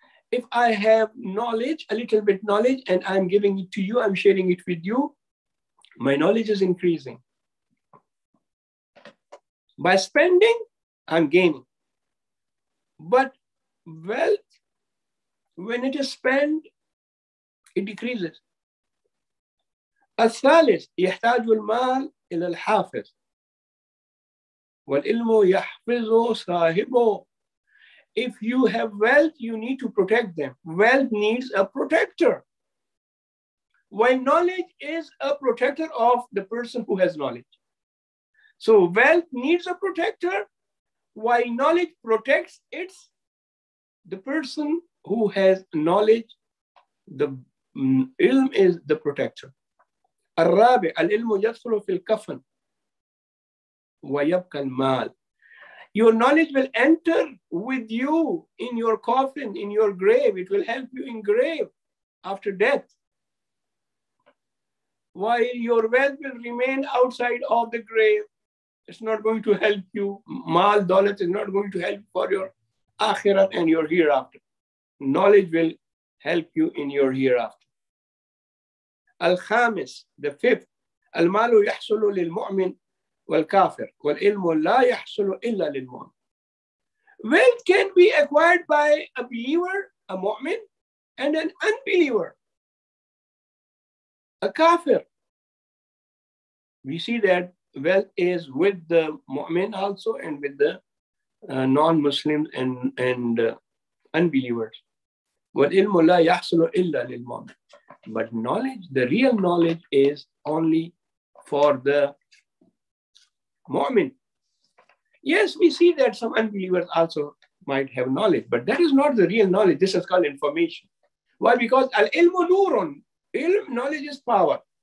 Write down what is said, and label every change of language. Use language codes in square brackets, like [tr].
[en] If I have knowledge, a little bit knowledge, and I'm giving it to you, I'm sharing it with you, my knowledge is increasing. By spending, I'm gaining. But wealth, when it is spent, it decreases. [ar] الثالث يحتاج المال إلى الحافظ والعلم يحفظ صاحبه. [en] If you have wealth, you need to protect them. Wealth needs a protector. While knowledge is a protector of the person who has knowledge. So wealth needs a protector, while knowledge protects its the person who has knowledge. The ilm is the protector. [ar] الرابع العلم يدخل في الكفن ويبقى المال. [en] Your knowledge will enter with you in your coffin, in your grave. It will help you in grave after death. While your wealth will remain outside of the grave, it's not going to help you. Mal, dawlat is not going to help for your akhirat and your hereafter. Knowledge will help you in your hereafter. Al-khamis, the 5th. [ar] Al-malu yahsulu lil-mu'min. والكافر والعلم لا يحصل إلا للمؤمن. [en] Wealth can be acquired by a believer, a mu'min, and an unbeliever, a kafir. We see that wealth is with the mu'min also and with the non-Muslims and unbelievers. [ar] والعلم لا يحصل إلا للمؤمن. [en] But knowledge, the real knowledge, is only for the mu'min. Yes, we see that some unbelievers also might have knowledge, but that is not the real knowledge. This is called information. Why? Because [ar] al-ilmu nurun. [en] Ilm, knowledge, is power.